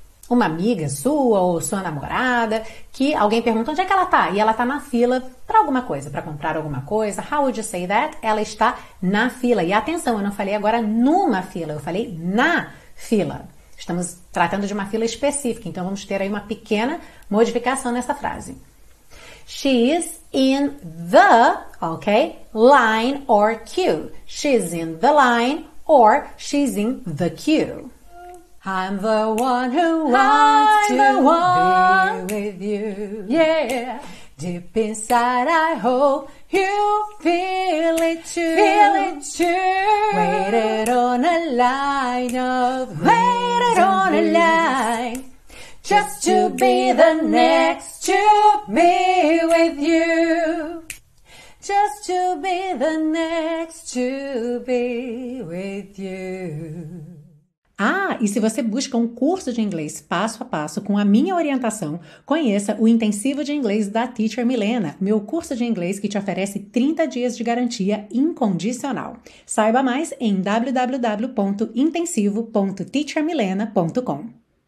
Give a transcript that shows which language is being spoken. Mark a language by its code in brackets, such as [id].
[pt] Uma amiga sua ou sua namorada, que alguém pergunta onde é que ela está? E ela está na fila para alguma coisa, para comprar alguma coisa. [en] How would you say that? [pt] Ela está na fila. E atenção, eu não falei agora numa fila, eu falei na fila. Estamos tratando de uma fila específica, então vamos ter aí uma pequena modificação nessa frase. [en] She is in the, ok, line or queue. She's in the line or she's in the queue. I'm the one who wants to be with you. Yeah. Deep inside, I hope you feel it too. Feel it too. Waited on a line of waited on a line. Just to be the next to me with you. Just to be the next to be with you. [pt] Ah, e se você busca um curso de inglês passo a passo com a minha orientação, conheça o Intensivo de Inglês da Teacher Milena, meu curso de inglês que te oferece 30 dias de garantia incondicional. Saiba mais em www.intensivo.teachermilena.com.